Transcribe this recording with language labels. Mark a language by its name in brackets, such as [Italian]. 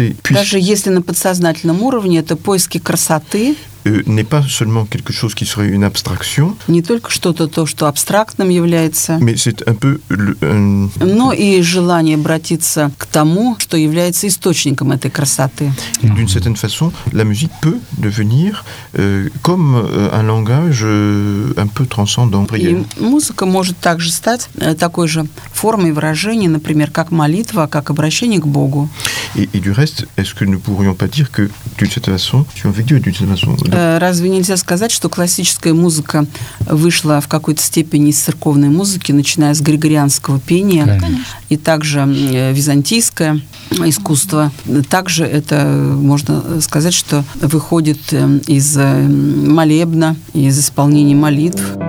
[Russian] Даже если на подсознательном уровне, это поиски красоты. [French] N'est pas seulement quelque chose qui serait une abstraction. [Russian] Не только что-то то, что абстрактным является. [French] Mais c'est un peu [Russian] Но и желание обратиться к тому, что является источником этой красоты. [French] D'une certaine façon, la musique peut devenir comme un langage un peu transcendant. [Russian] И музыка может также стать такой же формой выражения, например, как молитва, как обращение к Богу. [French] Et du reste, est-ce que nous ne pourrions pas dire que d'une certaine façon, tu as vécu d'une certaine façon? [Russian] Разве нельзя сказать, что классическая музыка вышла в какой-то степени из церковной музыки, начиная с григорианского пения, конечно, и также византийское искусство? Также это, можно сказать, что выходит из молебна, из исполнения молитв.